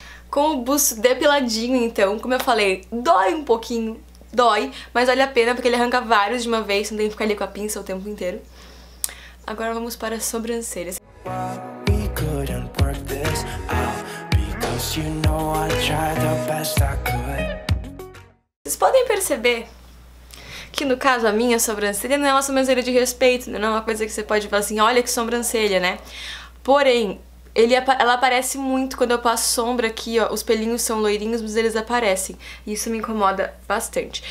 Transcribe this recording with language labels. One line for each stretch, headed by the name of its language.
Portuguese: com o buço depiladinho, então, como eu falei, dói um pouquinho. Dói, mas vale a pena porque ele arranca vários de uma vez. Não tem que ficar ali com a pinça o tempo inteiro. Agora vamos para as sobrancelhas.
English: Couldn't work this out because you know I tried the best I could.
Portuguese: Vocês podem perceber que no caso a minha sobrancelha não é uma sobrancelha de respeito, não é uma coisa que você pode falar assim, olha que sobrancelha, né? Porém, ela aparece muito quando eu passo sombra aqui, ó. Os pelinhos são loirinhos, mas eles aparecem. Isso me incomoda bastante.